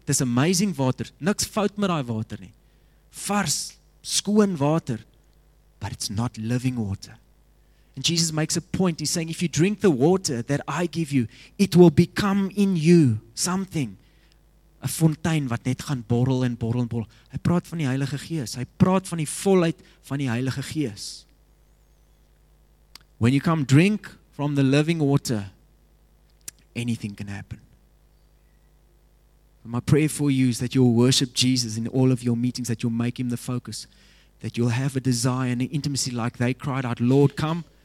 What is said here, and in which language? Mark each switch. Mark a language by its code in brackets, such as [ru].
[en] There's amazing water. [af] Niks fout met daai water nie. Vars, skoon water. [en] But it's not living water. And Jesus makes a point. He's saying, if you drink the water that I give you, it will become in you something. [af] A fontein wat net gaan borrel en borrel en borrel. Hy praat van die Heilige Gees. Hy praat van die volheid van die Heilige Gees. [en] When you come drink from the living water, anything can happen. My prayer for you is that you'll worship Jesus in all of your meetings, that you'll make him the focus, that you'll have a desire and an intimacy like they cried out, Lord, come.